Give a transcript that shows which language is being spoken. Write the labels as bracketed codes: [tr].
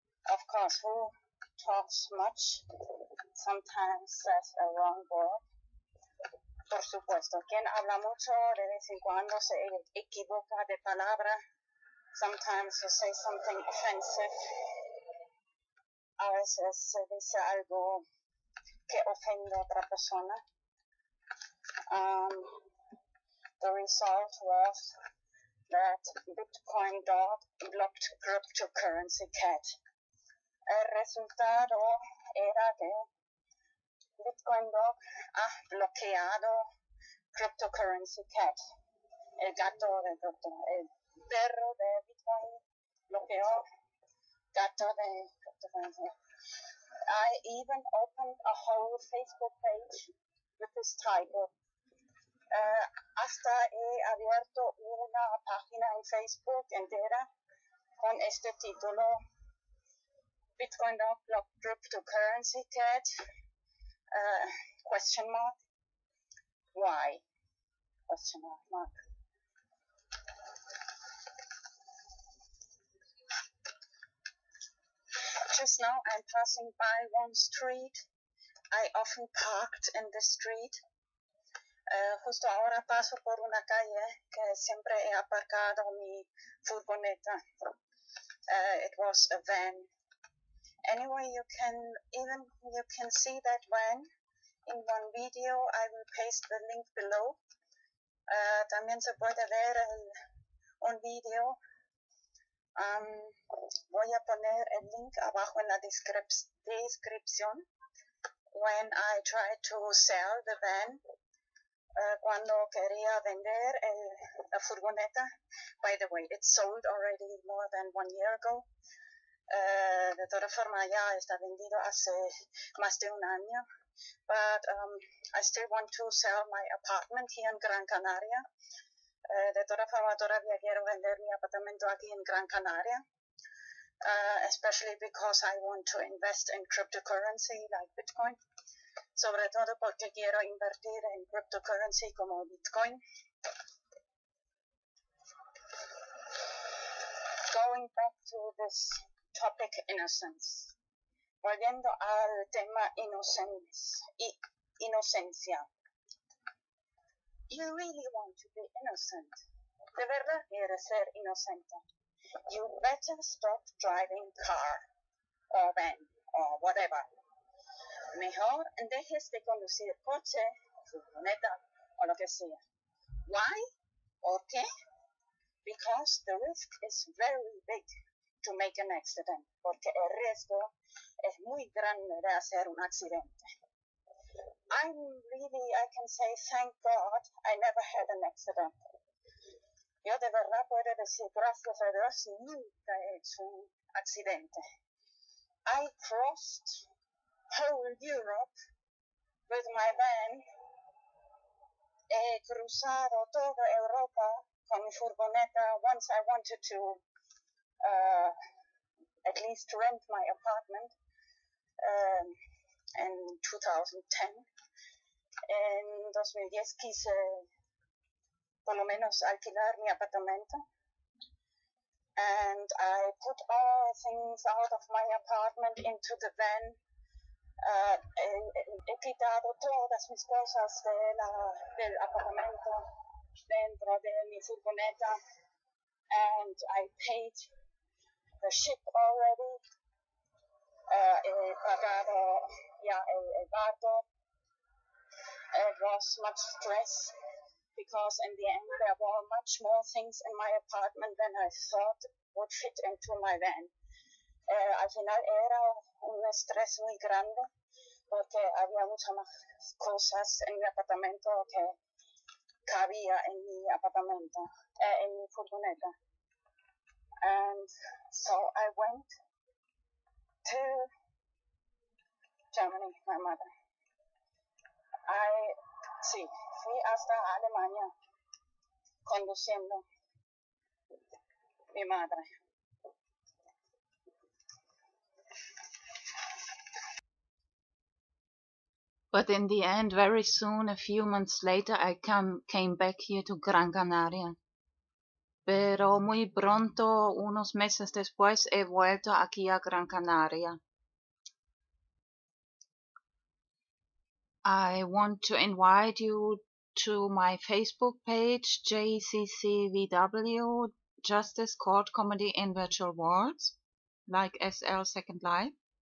[en] Of course, who talks much sometimes says a wrong word. [es] Por supuesto, quien habla mucho de vez en cuando se equivoca de palabra. [en] Sometimes you say something offensive. [es] A veces se dice algo que ofende a otra persona. [en] The result was that BitcoinDog blocked cryptocurrency cat. [es] El resultado era que BitcoinDog ha bloqueado cryptocurrency cat. El gato de Bitcoin, el perro de Bitcoin bloqueó gato de cryptocurrency. [en] I even opened a whole Facebook page with this title. [es] Hasta he abierto una página en Facebook entera con este título. [en] Bitcoin Dog blocked cryptocurrency cat? Question mark. Why? Question mark. Just now I'm passing by one street. I often parked in the street. [es] Justo ahora paso por una calle que siempre he aparcado mi furgoneta. [en] It was a van. Anyway, you can see that van in one video. I will paste the link below. [es] También se puede ver un video. Voy a poner el link abajo en la descripción. [en] When I tried to sell the van, [es] cuando quería vender la furgoneta. [en] By the way, it sold already more than 1 year ago. [es] De toda forma, ya está vendido hace más de un año. [en] But I still want to sell my apartment here in Gran Canaria. [es] De toda forma, todavía quiero vender mi apartamento aquí en Gran Canaria. [en] Especially because I want to invest in cryptocurrency like Bitcoin. [es] Sobre todo porque quiero invertir en cryptocurrency como Bitcoin. [en] Going back to this topic, innocence. [es] Volviendo al tema inocencia. [en] You really want to be innocent. [es] De verdad quiere ser inocente. [en] You better stop driving car, or van, or whatever. [es] Mejor dejes de conducir coche, furgoneta, o lo que sea. [en] Why? [es] ¿Por qué? [en] Because the risk is very big to make an accident. [es] Porque el riesgo es muy grande de hacer un accidente. [en] I can say thank God I never had an accident. [es] Yo de verdad puedo decir gracias a Dios nunca he hecho un accidente. [en] I crossed whole Europe with my van. [es] He cruzado toda Europa con mi furgoneta [en] once I wanted to at least rent my apartment in 2010. [es] En 2010 quise por lo menos alquilar mi apartamento. [en] And I put all things out of my apartment into the van. [es] He quitado todas mis cosas del apartamento dentro de mi furgoneta. [en] And I paid the ship already. [es] He pagado ya el barco. [en] It was much stress because in the end there were much more things in my apartment than I thought would fit into my van. [es] Al final era un estrés muy grande porque había muchas más cosas en mi apartamento que cabía en mi apartamento, en mi furgoneta. [en] And so I went to Germany, my mother. [es] Sí, fui hasta Alemania conduciendo mi madre. [en] But in the end, very soon, a few months later, I came back here to Gran Canaria. [es] Pero muy pronto, unos meses después, he vuelto aquí a Gran Canaria. [en] I want to invite you to my Facebook page, JCCVW, Justice Court Comedy in Virtual Worlds, like SL Second Life.